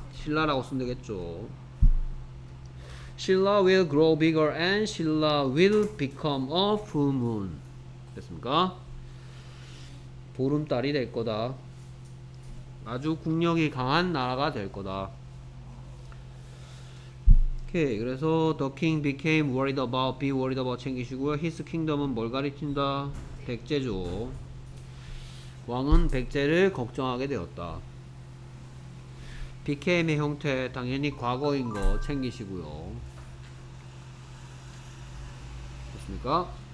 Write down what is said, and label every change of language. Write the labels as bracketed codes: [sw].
[ko] 신라라고 쓰면 되겠죠. [en] Shilla will grow bigger and Shilla will become a full moon. [ko] 됐습니까? 보름달이 될 거다. 아주 국력이 강한 나라가 될 거다. 오케이. 그래서 [en] the king became worried about, [ko] be worried about 챙기시고요. [en] His kingdom [ko] 은 뭘 가리킨다? 백제죠. 왕은 백제를 걱정하게 되었다. became의 형태 당연히 과거인 거 챙기시고요. 됐습니까?